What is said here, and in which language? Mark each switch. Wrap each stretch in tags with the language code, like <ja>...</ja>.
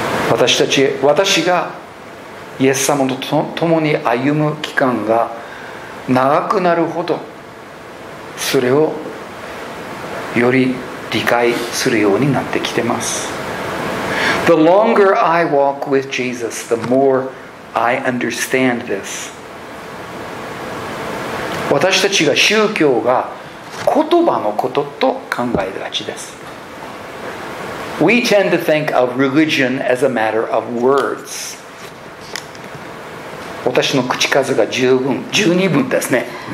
<ja>私がイエス様と共に歩む期間が長くなるほど、それをより理解するようになってきてます。</ja> <en>The longer I walk with Jesus, the more I understand this.</en> <ja>私たちが宗教が言葉のことと考えがちです。</ja> <en>We tend to think of religion as a matter of words.</en> <ja>私の口数が十二分ですね。</ja>